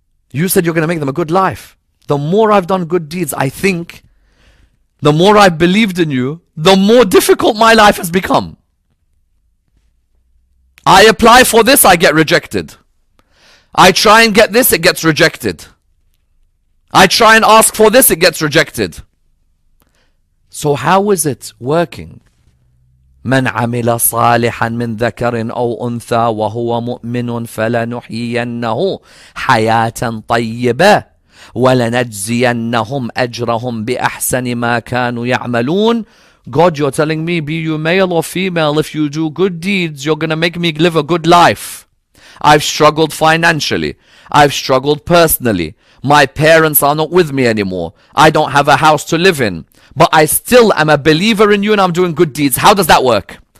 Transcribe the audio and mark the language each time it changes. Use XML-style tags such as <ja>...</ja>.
<en>You said you're going to make them a good life. The more I've done good deeds, I think, the more I've believed in you, the more difficult my life has become. I apply for this, I get rejected. I try and get this, it gets rejected. I try and ask for this, it gets rejected. So how is it working?</en> <ar>من عمل صالحا من ذكر أو أنثى وهو مؤمن فلنحيينه حياة طيبة ولنجزينهم أجرهم بأحسن ما كانوا يعملون.</ar> <en>God, you're telling me, be you male or female, if you do good deeds, you're going to make me live a good life. I've struggled financially. I've struggled personally. My parents are not with me anymore. I don't have a house to live in. But I still am a believer in you and I'm doing good deeds. How does that work?</en>